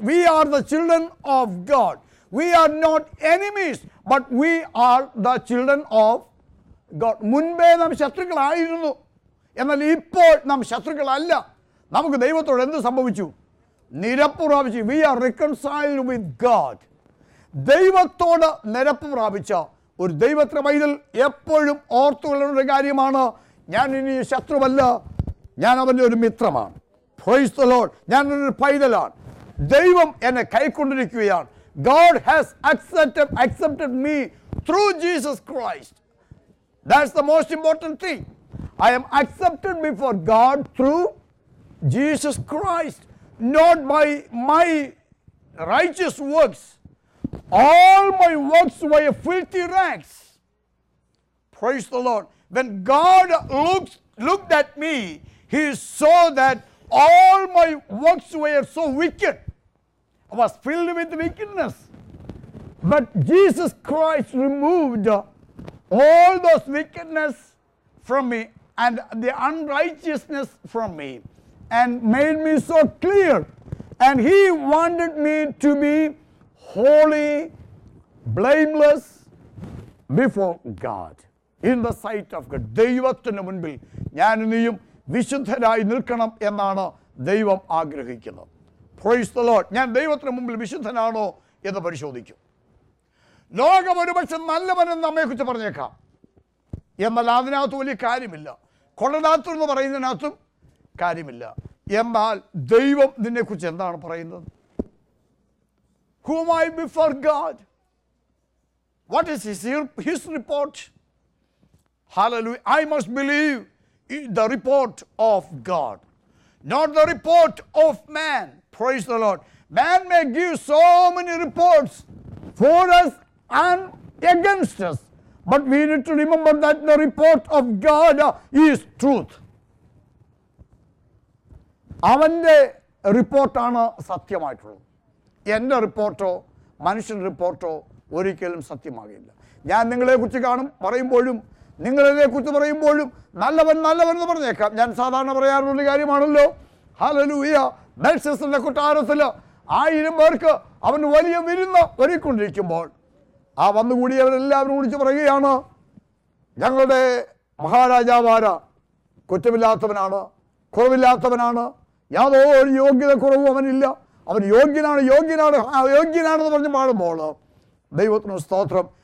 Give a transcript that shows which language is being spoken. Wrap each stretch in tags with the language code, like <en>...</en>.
<en>We are the children of God. We are not enemies, but we are the children of God.</en> <ml>മുൻപേ നാം ശത്രുക്കളായിരുന്നു. എന്നാൽ ഇപ്പോൾ നാം ശത്രുക്കളല്ല. നമുക്ക് ദൈവത്തോട് എന്ത് സംഭവിച്ചു? നിരപ്പുറാപിച്ചു.</ml> <en>We are reconciled with God.</en> <ml>ദൈവത്തോട് നിരപ്പ് പ്രാപിച്ച ഒരു ദൈവത്തിൻ്റെ മൈതിൽ എപ്പോഴും ഓർത്തുകൊള്ളുന്ന ഒരു കാര്യമാണ്, ഞാൻ ഇനി ശത്രുവല്ല, ഞാൻ അവൻ്റെ ഒരു മിത്രമാണ്.</ml> <en>Praise the Lord.</en> <ml>ഞാൻ ഒരു പൈതലാണ്. ദൈവം എന്നെ കൈക്കൊണ്ടിരിക്കുകയാണ്.</ml> <en>God has accepted me through Jesus Christ. That's the most important thing. I am accepted before God through Jesus Christ, not by my righteous works. All my works were filthy rags. Praise the Lord. When God looked at me, He saw that all my works were so wicked. I was filled with wickedness. But Jesus Christ removed all those wickedness from me and the unrighteousness from me and made me so clear. And He wanted me to be holy, blameless before God, in the sight of God.</en> <ml>ദൈവത്തിനു മുൻപിൽ ഞാൻ നീയും വിശുദ്ധരായി നിൽക്കണം എന്നാണ് ദൈവം ആഗ്രഹിക്കുന്നത്.</ml> <en>Praise the Lord.</en> <ml>ഞാൻ ദൈവത്തിന് മുമ്പിൽ വിശുദ്ധനാണോ എന്ന് പരിശോധിക്കും. ലോകം ഒരുപക്ഷെ നല്ലവനെന്ന് അമ്മയെക്കുറിച്ച് പറഞ്ഞേക്കാം, എന്നാൽ അതിനകത്ത് വലിയ കാര്യമില്ല. കൊള്ളനാത്തു എന്ന് പറയുന്നതിനകത്തും കാര്യമില്ല. എന്നാൽ ദൈവം നിന്നെക്കുറിച്ച് എന്താണ് പറയുന്നത്?</ml> <en>Whom I before God? What is his report? Hallelujah. I must believe in the report of God, not the report of man. Praise the Lord. Man may give so many reports for us and against us, but we need to remember that the report of God is truth.</en> <ml>അവൻ്റെ റിപ്പോർട്ടാണ് സത്യമായിട്ടുള്ളത്. എൻ്റെ റിപ്പോർട്ടോ മനുഷ്യൻ്റെ റിപ്പോർട്ടോ ഒരിക്കലും സത്യമാകില്ല. ഞാൻ നിങ്ങളെക്കുറിച്ച് കാണും പറയുമ്പോഴും നിങ്ങളതിനെക്കുറിച്ച് പറയുമ്പോഴും നല്ലവൻ നല്ലവനെന്ന് പറഞ്ഞേക്കാം. ഞാൻ സാധാരണ പറയാറുള്ളൊരു കാര്യമാണല്ലോ, ഹല്ലേലൂയ, മെൽസിന്റെ കൊട്ടാരത്തിൽ 1000 പേർക്ക് അവന് വലിയ വിരുന്ന് ഒരുക്കൊണ്ടിരിക്കുമ്പോൾ ആ വന്നുകൂടിയവരെല്ലാവരും വിളിച്ച് പറയുകയാണ്, ഞങ്ങളുടെ മഹാരാജാവാര കുറ്റമില്ലാത്തവനാണ്, കുറവില്ലാത്തവനാണ്, യാതൊരു യോഗ്യത കുറവും അവനില്ല, അവൻ യോഗ്യനാണ്, യോഗ്യനാണ്, യോഗ്യനാണെന്ന് പറഞ്ഞ് പാടുമ്പോൾ ദൈവത്തിന് സ്തോത്രം.</ml>